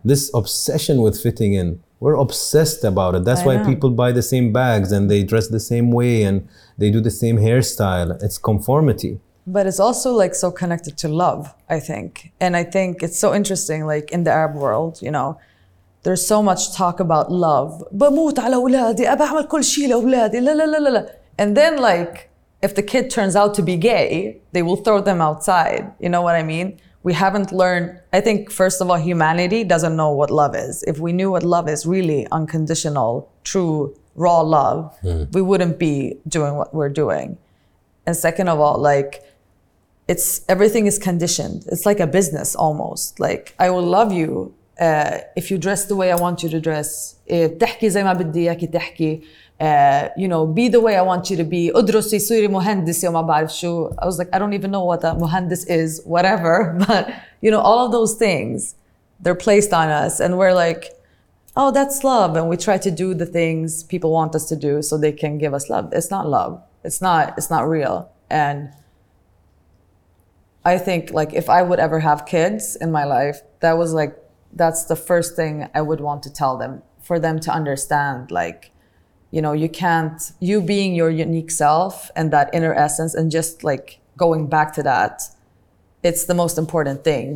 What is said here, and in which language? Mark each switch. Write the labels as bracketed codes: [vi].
[en] This obsession with fitting in, we're obsessed about it. That's why people buy the same bags and they dress the same way and they do the same hairstyle. It's conformity. But it's also like so connected to love, I think. And I think it's so interesting, like in the Arab world, you know, there's so much talk about love. [ar] بموت على أولادي, أبى أعمل كل شيء لأولادي, لا لا لا لا. [en] And then like, if the kid turns out to be gay, they will throw them outside. You know what I mean? We haven't learned, I think, first of all, humanity doesn't know what love is. If we knew what love is, really unconditional, true, raw love, we wouldn't be doing what we're doing. And second of all, like, everything is conditioned. It's like a business almost. Like, I will love you If you dress the way I want you to dress, [ar] تحكي زي ما بدي إياكي تحكي, [en] you know, be the way I want you to be, [ar] أدرسي صيري مهندسة وما بعرف شو. [en] I was like, I don't even know what a مهندس is, whatever. But, you know, all of those things, they're placed on us. And we're like, oh, that's love. And we try to do the things people want us to do so they can give us love. It's not love. It's not real. And I think, like, if I would ever have kids in my life, that was like, that's the first thing I would want to tell them, for them to understand, like, you know, you can't, you being your unique self and that inner essence and just like going back to that, it's the most important thing.